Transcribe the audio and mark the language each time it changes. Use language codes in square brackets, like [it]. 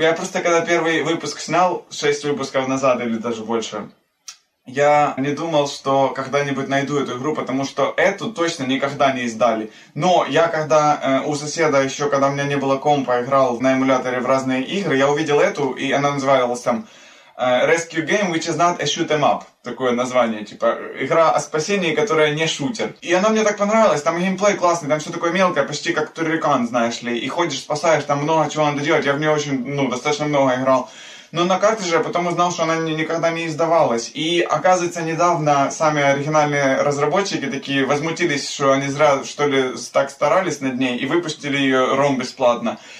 [ru] Я просто, когда первый выпуск снял, 6 выпусков назад или даже больше, я не думал, что когда-нибудь найду эту игру, потому что эту точно никогда не издали. Но я когда у соседа еще, когда у меня не было компа, играл на эмуляторе в разные игры, я увидел эту, и она называлась там... [en] Rescue Game, which is not a shoot'em up. [ru] Такое название, типа, игра о спасении, которая не шутер. И она мне так понравилась, там геймплей классный, там все такое мелкое, почти как Турикан, знаешь ли. И ходишь, спасаешь, там много чего надо делать, я в нее очень, ну, достаточно много играл. Но на карте же я потом узнал, что она никогда не издавалась. И, оказывается, недавно сами оригинальные разработчики такие возмутились, что они зря, что ли, так старались над ней, и выпустили ее ROM бесплатно.